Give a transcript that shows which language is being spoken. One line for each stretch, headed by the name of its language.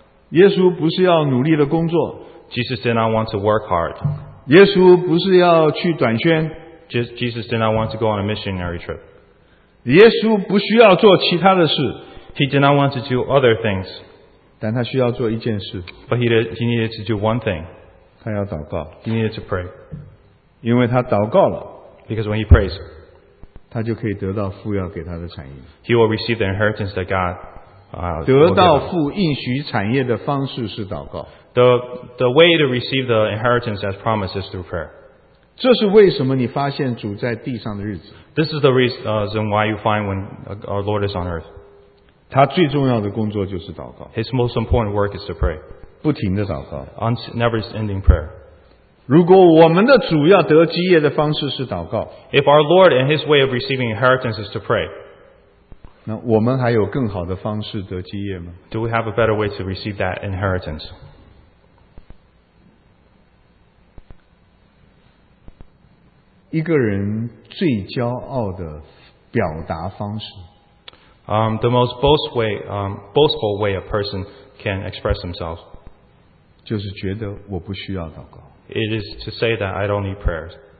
Chinese: 耶稣不是要努力的工作
English: Jesus did not want to work hard
Chinese: 耶稣不是要去短宣
English: Jesus did not want to go on a missionary trip
Chinese: 耶稣不需要做其他的事
English: He did not want to do other things
Chinese: 但他需要做一件事
English: But he needed to do one thing
Chinese: 他要祷告
English: He needed to pray
Chinese: 因为他祷告了
English: Because when he prays
Chinese: 他就可以得到父要给他的产业。
English: He will receive the inheritance that God
Chinese: 得到父应许产业的方式是祷告。
English: The way to receive the inheritance as promised is through prayer.
Chinese: 这是为什么你发现主在地上的日子。
English: This is the reason why you find when our Lord is on earth.
Chinese: 他最重要的工作就是祷告。
English: His most important work is to pray.
Chinese: 不停的祷告。
English: Never ending prayer.
Chinese: 如果我们的主要得基业的方式是祷告
English: If our Lord and his way of receiving inheritance is to pray
Chinese: 那我们还有更好的方式得基业吗？
English: Do we have a better way to receive that inheritance?
Chinese: 一个人最骄傲的表达方式。
English: The most boastful way a person can express themselves.
Chinese: 就是觉得我不需要祷告。
English: It is to say that I don't need prayers.